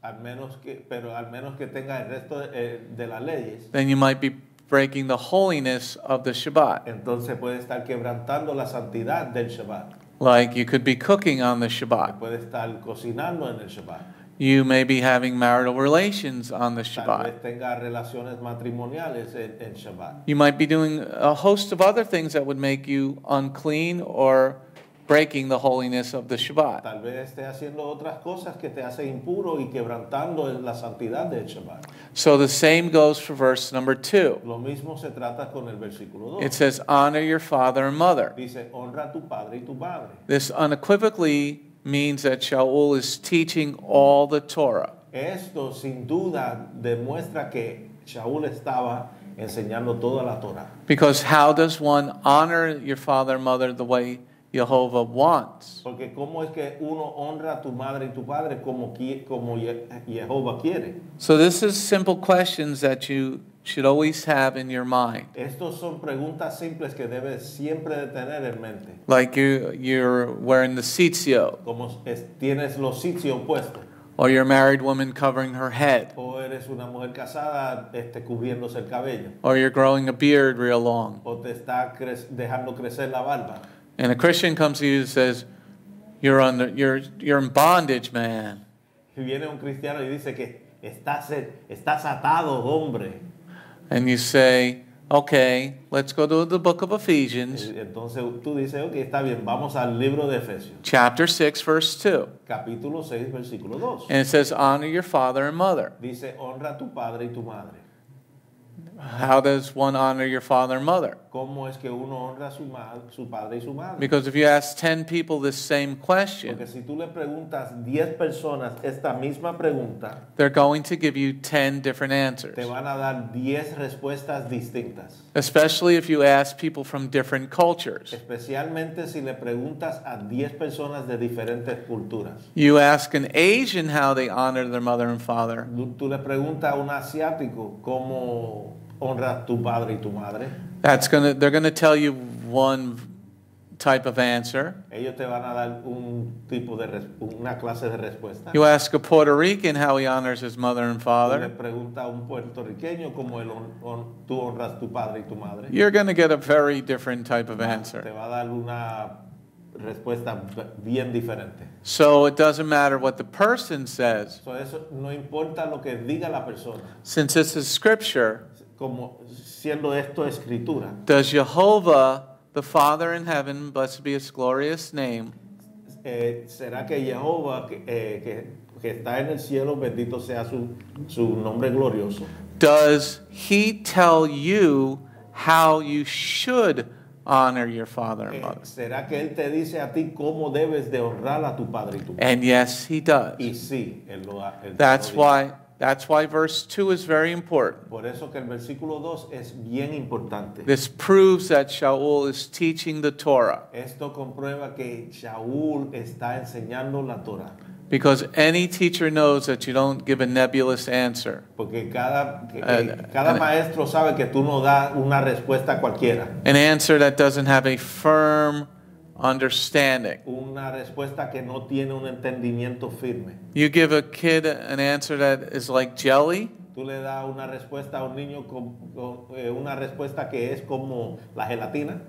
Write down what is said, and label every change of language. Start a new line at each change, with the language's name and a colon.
Spanish: Al menos que tenga el resto de las leyes.
English: Then you might be breaking the holiness of the Shabbat.
Spanish: Entonces puede estar quebrantando la santidad del Shabbat.
English: Like you could be cooking on the Shabbat.
Spanish: Puede estar cocinando en el Shabbat.
English: You may be having marital relations on the Shabbat.
Spanish: Tal vez tenga relaciones matrimoniales en Shabbat.
English: You might be doing a host of other things that would make you unclean or breaking the holiness of the Shabbat.
Spanish: Tal vez esté haciendo otras cosas que te hacen impuro y quebrantando la santidad del Shabbat.
English: So the same goes for verse number 2.
Spanish: Lo mismo se trata con el versículo 2.
English: It says, honor your father and mother.
Spanish: Dice, honra tu padre y tu madre.
English: This unequivocally means that Shaul is teaching all the Torah.
Spanish: Esto sin duda demuestra que Shaul estaba enseñando toda la Torah.
English: Because how does one honor your father and mother the way Jehovah wants?
Spanish: Porque cómo es que uno honra a tu madre y tu padre como Jehovah quiere.
English: So this is simple questions that you should always have in your mind.
Spanish: Estos son preguntas simples que debes siempre de tener en mente.
English: Like you're wearing the tzitzit.
Spanish: Como tienes los tzitzit puestos.
English: Or you're a married woman covering her head.
Spanish: O eres una mujer casada, cubriéndose el cabello.
English: Or you're growing a beard real long.
Spanish: O te está dejando crecer la barba.
English: And a Christian comes to you and says, You're in bondage, man.
Spanish: Si viene un cristiano y dice que estás atado, hombre.
English: And you say, okay, let's go to the book of Ephesians.
Spanish: Entonces tú dices, okay, está bien, vamos al libro de Efesios.
English: Chapter 6, verse 2.
Spanish: Capítulo 6, versículo 2.
English: And it says, honor your father and mother.
Spanish: Dice, honra a tu padre y tu madre.
English: How does one honor your father and mother?
Spanish: ¿Cómo es que uno honra su su padre y su madre?
English: Because if you ask 10 people the same question,
Spanish: porque si tú le preguntas 10 personas esta misma pregunta,
English: they're going to give you 10 different answers.
Spanish: Te van a dar 10 respuestas distintas.
English: Especially if you ask people from different cultures.
Spanish: Especialmente si le preguntas a 10 personas de diferentes culturas.
English: You ask an Asian how they honor their mother and father.
Spanish: Tú le preguntas a un asiático cómo honra tu padre y tu madre.
English: They're going to tell you one type of answer.
Spanish: Ellos te van a dar una clase de respuesta.
English: You ask a Puerto Rican how he honors his mother and father.
Spanish: Le pregunta a un puertorriqueño cómo tú honras tu padre y tu madre.
English: You're going to get a very different type of answer.
Spanish: Te va a dar una respuesta bien diferente.
English: So it doesn't matter what the person says.
Spanish: So eso no importa lo que diga la persona.
English: Since this is scripture,
Spanish: como siendo esto escritura.
English: Does Jehovah, the Father in heaven, blessed be his glorious name.
Spanish: ¿Será que Jehovah, que está en el cielo, bendito sea su nombre glorioso?
English: Does he tell you how you should honor your father and mother?
Spanish: ¿Será que él te dice a ti cómo debes de honrar a tu padre y tu madre?
English: And yes, he does.
Spanish: Y sí, él
English: that's why. That's why verse 2 is very important.
Spanish: Por eso que el versículo 2 es bien importante.
English: This proves that Shaul is teaching the Torah.
Spanish: Esto comprueba que Shaul está enseñando la Torah.
English: Because any teacher knows that you don't give a nebulous answer.
Spanish: Porque cada maestro sabe que tú no das una respuesta cualquiera.
English: An answer that doesn't have a firm understanding.
Spanish: Una respuesta que no tiene un entendimiento firme.
English: You give a kid an answer that is like jelly.
Spanish: Tú le das una respuesta a un niño una respuesta que es como la gelatina.